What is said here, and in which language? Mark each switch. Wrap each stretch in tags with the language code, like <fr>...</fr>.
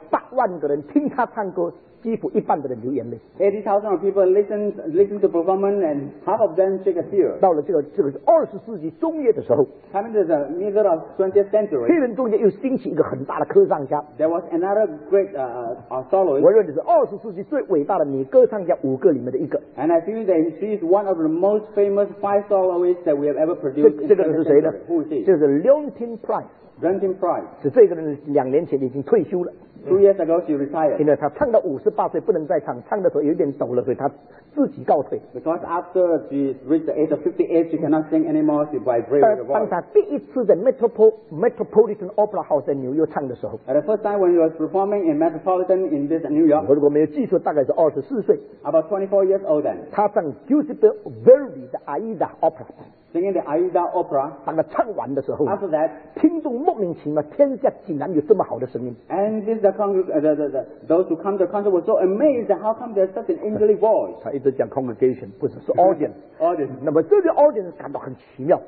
<zh>八万个人听他唱歌，几乎一半的人流眼泪。</zh> <en>80,000 people listen to performance and half of them shed a tear.</en> <zh>到了这个二十世纪中叶的时候。</zh> <en>Coming to the middle of 20th century.</en> <zh>黑人中间又兴起一个很大的歌唱家。</zh> <en>There was another great soloist.</en> <zh>我认为是二十世纪最伟大的女歌唱家五个里面的一个。</zh> <en>And I feel that she is one of the most famous five soloists that we have ever produced.</en> <zh>这个人是谁呢？就是 Leontine Price。</zh> <en>Leontine Price.</en> <zh>是这个人两年前已经退休了。</zh> <en>2 years ago, she retired.</en> <zh>因为她唱到58岁不能再唱，唱的时候有点抖了，所以她自己告退。</zh> <en>Because after she reached the age of 58, she cannot sing anymore. She vibrated.</en> <zh>当她第一次在 Metropolitan Opera House 在纽约唱的时候</zh> <en>，At the first time when she was performing in Metropolitan in this New York,</en> <zh>如果没有记错，大概是24岁</zh> <en>，About 24 years old then.</en> <zh>她唱 Giuseppe Verdi 的 Aida Opera。</zh> <en>Singing the Aida Opera，</en> <zh>当他唱完的时候</zh> <en>，After that，</en> <zh>听众莫名其妙，天下竟然有这么好的声音。</zh> <en>And this the those who come to the concert were so amazed at how come there's such an English voice。</en> <zh>他一直讲 congregation， 不是是 audience。</zh> <en>Audience。</en> <zh>那么这些 audience 感到很奇妙。</zh>